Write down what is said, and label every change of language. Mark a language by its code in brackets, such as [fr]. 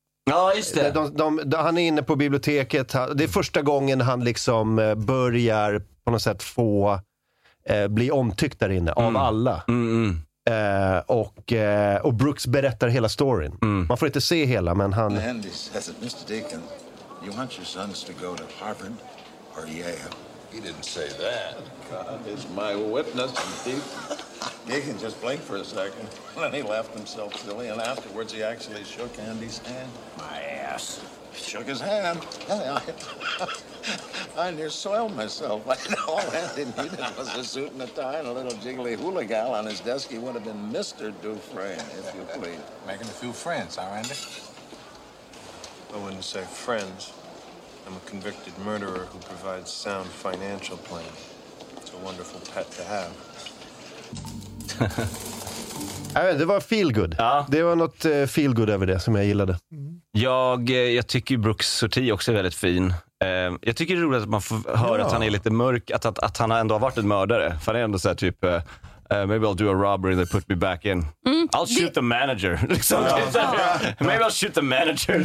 [sv] Ja, just det. Han är inne på biblioteket. Det är första gången han liksom börjar på något sätt få bli omtyckt där inne av alla. Och Brooks berättar hela storyn. Man får inte se hela, men han [en] Mr. Deacon, you want your sons to go to Harvard or Yale? He didn't say that. God is my witness, Deacon. Deacon just blinked for a second, then he laughed himself silly, and afterwards he actually shook Andy's hand. My ass. Shook his hand. I near soiled myself. All Andy needed was a suit and a tie and a little jiggly hula gal on his desk. He would have been Mr. Dufresne, if you please. Making a few friends, huh, Andy? I wouldn't say friends. I'm a convicted murderer who provides sound financial planning. It's a wonderful pet to have. [sv] Nej, det var feel good. Ja. Det var något feel good över det som jag gillade. Mm. Jag tycker Brooks sorti också är väldigt fin. Jag tycker det är roligt att man får höra att han är lite mörk, att han ändå har varit en mördare. För han är ändå så här typ [en] maybe I'll do a robbery and they put me back in. Mm. I'll shoot the manager. Maybe I'll shoot the manager.